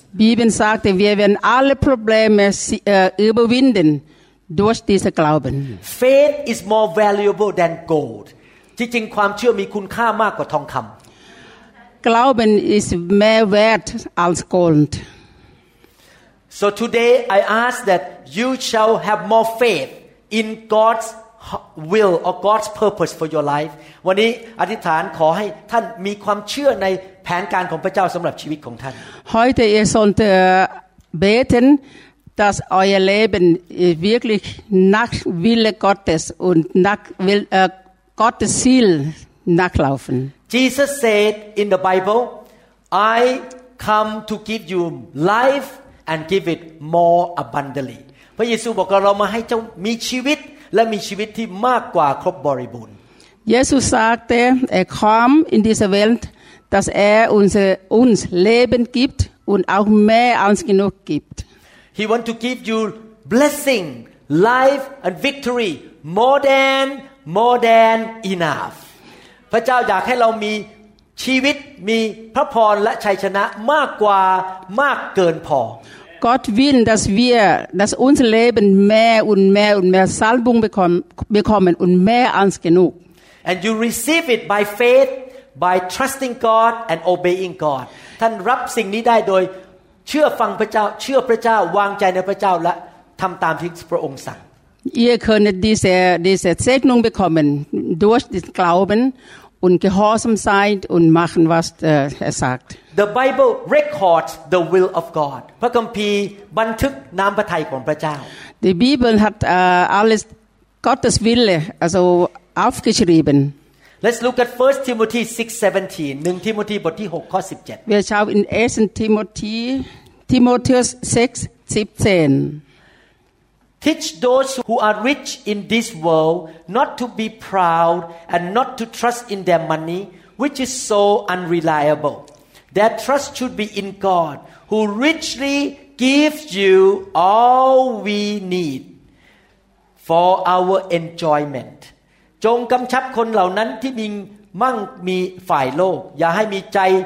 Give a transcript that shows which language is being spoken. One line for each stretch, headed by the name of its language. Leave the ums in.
German: Bibel sagte, wir werden alle Probleme si- äh, überwinden durch diesen Glauben.
English: Faith is more valuable than gold
Thai: ที่จริงความเชื่อมีคุณค่ามากกว่าทองคำ
German: Glauben ist mehr wert als Gold.
English: So today I ask that you shall have more faith in God's will or God's purpose for your life
Thai: วันนี้อธิษฐานขอให้ท่านมีความเชื่อในแผนการของพระเจ้าสำหรับชีวิตของท่าน
German: Heute ihr sollt äh, beten, dass euer Leben äh, wirklich nach Wille Gottes und nach Will, äh, Gottes Ziel nachlaufen.
English: Jesus said in the Bible I come to give you life and give it more abundantly
Thai: พระเยซูบอกว่าเรามาให้เจ้ามีชีวิตและมีชีวิตที่มากกว่าครบบริบูรณ์
German: Jesus sagte, er kam in diese Welt, dass er unsere, uns Leben gibt und auch mehr als genug gibt.
English: He want to give you blessing, life and victory more than more than enough
Thai: พระเจ้าอยากให้เรามีชีวิตมีพระพรและชัยชนะมากกว่ามากเกินพอ
German: Gott will, dass wir, dass unser Leben mehr und mehr und mehr Salbung bekommen, bekommen und mehr als genug.
English: and you receive it by faith by trusting God and obeying God
Thai: ท่านรับสิ่งนี้ได้โดยเชื่อฟังพระเจ้า เชื่อพระเจ้าวางใจในพระเจ้าและทำตามที่พระองค์สั่ง
German: Ihr könnt diese, diese Segnung bekommen durch den Glauben und Gehorsam sein und machen, was äh, er sagt.
English: The Bible records the will of God
Thai: พระคัมภีร์บันทึกน้ำพระทัยของพระเจ้า
German: Die Bibel hat äh, alles Gottes Wille also aufgeschrieben.
English: Let's look at 1 Timothy 6:17
Thai: 1ทิโมธีบทที่6ข้อ
German: Wir schauen in 1. Timotheus, Timotheus 6, 17.
English: 17 Teach those who are rich in this world not to be proud and not to trust in their money which is so unreliable their trust should be in God who richly gives you all we need for our enjoyment
Thai: จงกำชับคนเหล่านั้นที่มีมั่งมีฝ่ายโลก อย่าให้มีใจ